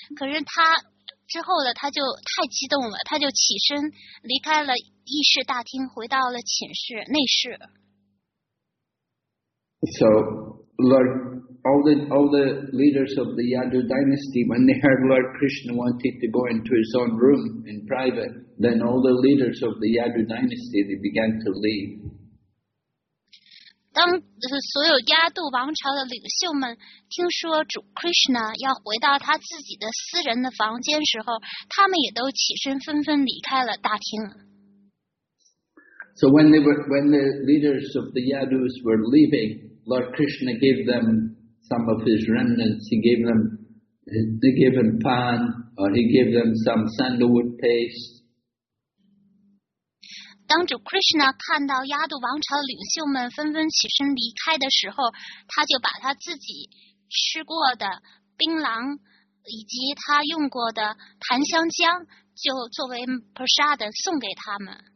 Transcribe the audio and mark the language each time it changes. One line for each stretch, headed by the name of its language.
Chinese: 可是他之后呢，他就太激动了，他就起身离开了。议事大厅回到了寝室内室。
English: So, Lord, all the leaders of the Yadu dynasty, when they heard Lord Krishna wanted to go into his own room in private, then all the leaders of the Yadu dynasty they began to leave.
Chinese: 当所有亚度王朝的领袖们听说主 Krishna 要回到他自己的私人的房间时候，他们也都起身纷纷离开了大厅。
English: So when the leaders of the Yadus were leaving, Lord Krishna gave them some of his remnants. He gave them pan, or he gave them some sandalwood paste.
Chinese: 当主 Krishna 看到亚度王朝的领袖们纷纷起身离开的时候，他就把他自己吃过的槟榔以及他用过的檀香浆就作为 prasad 送给他们。